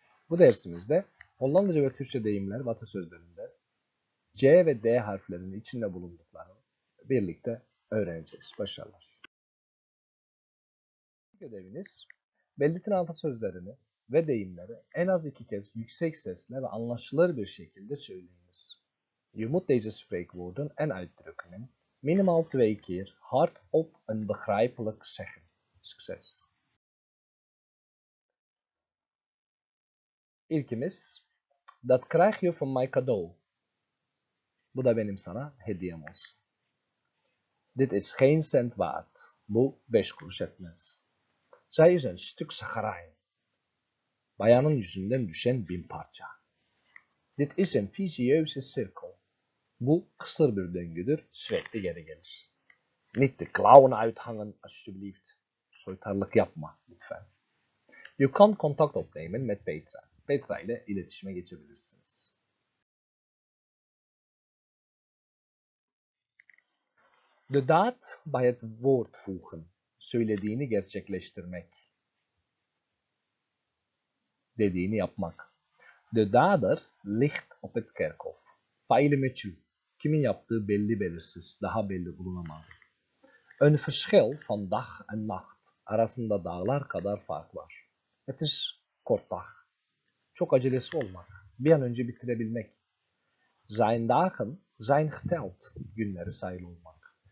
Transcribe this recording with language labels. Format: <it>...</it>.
<tr>Bu dersimizde Hollandaca ve Türkçe deyimler ve atasözlerinde C ve D harflerinin içinde bulunduklarını birlikte öğreneceğiz. Başarılar. İlk ödeviniz, belirtilen atasözlerini ve deyimleri en az iki kez yüksek sesle ve anlaşılır bir şekilde söyleyiniz.</tr> <nl>Je moet deze spreekwoorden en uitdrukkingen minimaal twee keer hardop en begrijpelijk zeggen. Succes!</nl> <tr>İlkimiz,</tr> <nl>dat krijg je van mij cadeau.</nl> <tr>Bu da benim sana hediyem olsun.</tr> <nl>Dit is geen cent waard.</nl> <tr>Bu 5 kuruş etmez.</tr> <nl>Zij is een stuk zagarijn.</nl> <tr>Bayanın yüzünden düşen bin parça.</tr> <nl>Dit is een vicieuze cirkel.</nl> <tr>Bu kısır bir döngüdür, sürekli geri gelir.</tr> <nl>Niet de clown uithangen, alsjeblieft.</nl> <tr>Soytarlık yapma, lütfen.</tr> <nl>Je kan contact opnemen met Petra.</nl> <tr>Petra ile iletişime geçebilirsiniz.</tr> <nl>De daad bij het woord voegen.</nl> <tr>Söylediğini gerçekleştirmek. Dediğini yapmak.</tr> <nl>De dader ligt op het kerkhof.</nl> <tr>Faile meçhul. Kimin yaptığı belli belirsiz, daha belli bulunamaz.</tr> <nl>Een verschil van dag en nacht.</nl> <tr>Arasında dağlar kadar fark var.</tr> <nl>Het is kort dag.</nl> <tr>Çok acelesi olmak, bir an önce bitirebilmek.</tr> <nl>Zijn dagen zijn geteld,</nl> <tr>günleri sayılı olmak.</tr>